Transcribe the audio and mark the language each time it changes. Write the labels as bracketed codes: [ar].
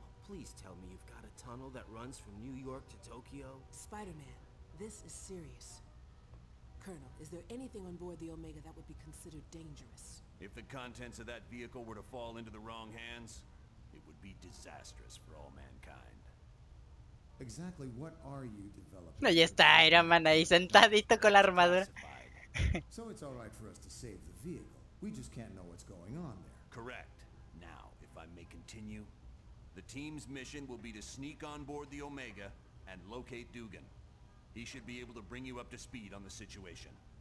[en] Please tell me you've got a tunnel that runs from New York to Tokyo. Spider-Man, this is serious. Colonel, is there anything on board the Omega that would be considered dangerous? If the contents of that vehicle were to fall into the wrong hands, it would be disastrous for all mankind. Exactly what are you developing? [es] Ahí está Iron Man ahí sentadito con la armadura. [en] Classified. So it's all right for us to save the vehicle. We just can't know what's going on there. Correct. Now, if I may continue, the team's mission will be to sneak on board the Omega and locate Dugan. He should be able to bring you up to speed on the situation.